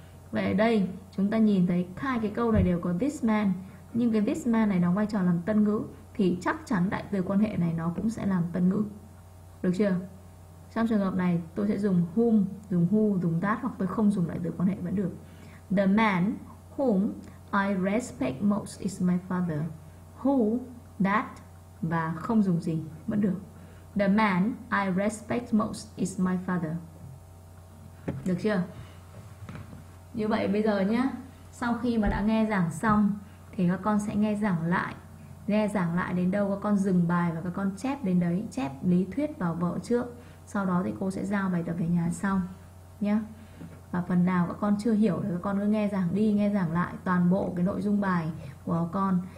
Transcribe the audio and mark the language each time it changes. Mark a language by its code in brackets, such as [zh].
[vi] Vậy ở đây chúng ta nhìn thấy hai cái câu này đều có this man, nhưng cái this man này đóng vai trò làm tân ngữ thì chắc chắn đại từ quan hệ này nó cũng sẽ làm tân ngữ. Được chưa? Trong trường hợp này, tôi sẽ dùng whom, dùng who, dùng that, hoặc tôi không dùng lại từ quan hệ vẫn được. [en] The man whom I respect most is my father. [vi] Who, that, và không dùng gì vẫn được. [en] The man I respect most is my father. [vi] Được chưa? Như vậy bây giờ nhé, sau khi mà đã nghe giảng xong thì các con sẽ nghe giảng lại. Nghe giảng lại đến đâu các con dừng bài và các con chép đến đấy, chép lý thuyết vào vở trước. Sau đó thì cô sẽ giao bài tập về nhà xong nhé. Và phần nào các con chưa hiểu thì các con cứ nghe giảng đi, nghe giảng lại toàn bộ cái nội dung bài của các con.